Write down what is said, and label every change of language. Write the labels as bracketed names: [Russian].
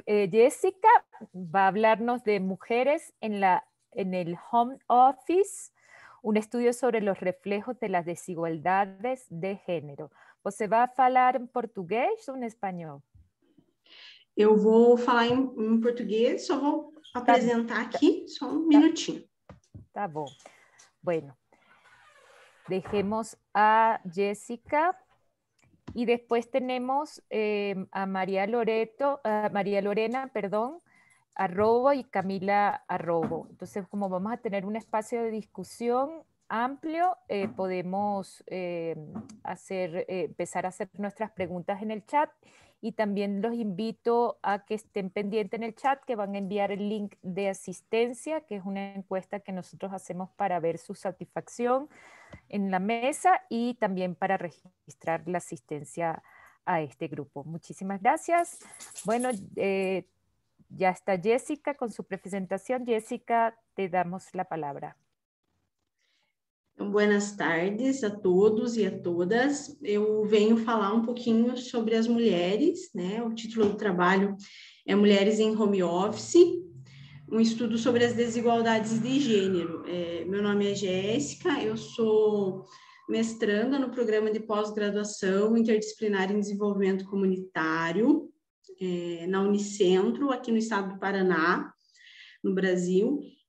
[Spanish] Jessica va a hablarnos de mujeres en el home office. Un estudio sobre los reflejos de las desigualdades de género. [Portuguese] ¿Você [Spanish] va a hablar en portugués o en español? [Portuguese] Eu vou falar em português, só vou apresentar aqui, só minutinho. Tá bom. [Spanish] Bueno, dejemos a Jessica. Y después tenemos a María Loreto, María Lorena, perdón, @ y Camila @. Entonces, como vamos a tener un espacio de discusión amplio, podemos empezar a hacer nuestras preguntas en el chat, y también los invito a que estén pendientes en el chat, que van a enviar el link de asistencia, que es una encuesta que nosotros hacemos para ver su satisfacción en la mesa y también para registrar la asistencia a este grupo. Muchísimas gracias. Bueno, ya está Jessica con su presentación. Jessica, te damos la palabra. Buenas tardes a todos y a todas. [Portuguese] Eu venho falar un poquinho sobre as mulheres, né? O título do trabalho é Mulheres em Home Office, um estudo sobre as desigualdades de gênero. Meu nome é Jessica, eu sou mestranda no programa de pós-graduação interdisciplinar em desenvolvimento comunitário, na Unicentro, aqui no estado do Paraná, no Brasil.